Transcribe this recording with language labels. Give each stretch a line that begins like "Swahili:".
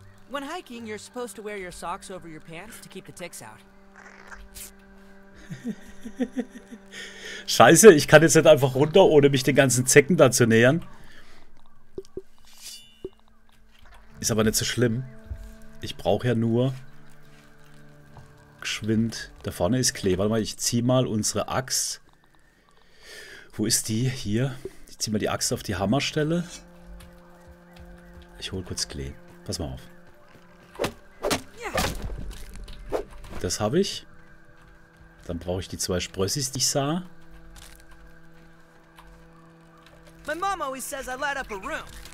English: When hiking, you're supposed to wear your socks over your pants to keep the ticks out.
German: Scheiße, ich kann jetzt nicht einfach runter, ohne mich den ganzen Zecken da zu nähern. Ist aber nicht so schlimm. Ich brauche ja nur geschwind. Da vorne ist Klee. Warte mal, ich zieh mal unsere Axt. Wo ist die? Hier. Ich zieh mal die Axt auf die Hammerstelle. Ich hol kurz Klee. Pass mal auf. Das habe ich. Dann brauche ich die zwei Sprössis, die ich sah.
English: My mom always says I light up a room.